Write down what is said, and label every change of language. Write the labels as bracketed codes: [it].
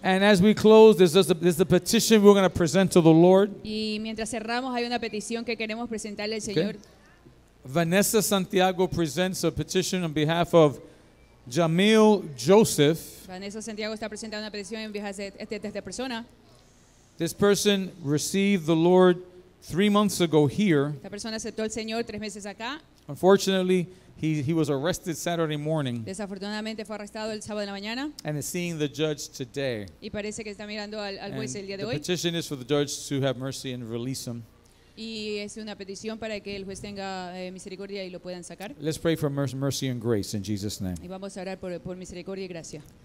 [en] And as we close, there's a petition we're going to present to the Lord. [es] Y mientras cerramos, hay una petición que queremos presentarle al Señor. [en] Okay. Vanessa Santiago presents a petition on behalf of Jamil Joseph. [es] Vanessa Santiago está presentando una petición en behalf de esta persona. [en] This person received the Lord 3 months ago here. [es] Esta persona aceptó al Señor 3 meses acá. [en] Unfortunately, he was arrested Saturday morning. [es] Desafortunadamente fue arrestado el sábado en la mañana. [en] And is seeing the judge today. [es] Y parece que está mirando al juez el día de [en] the [es] hoy. [en] The petition is for the judge to have mercy and release him. [es] Y es una petición para que el juez tenga misericordia y lo puedan sacar. [en] Let's pray for mercy and grace in Jesus' name. [es] Y vamos a orar por misericordia y gracia.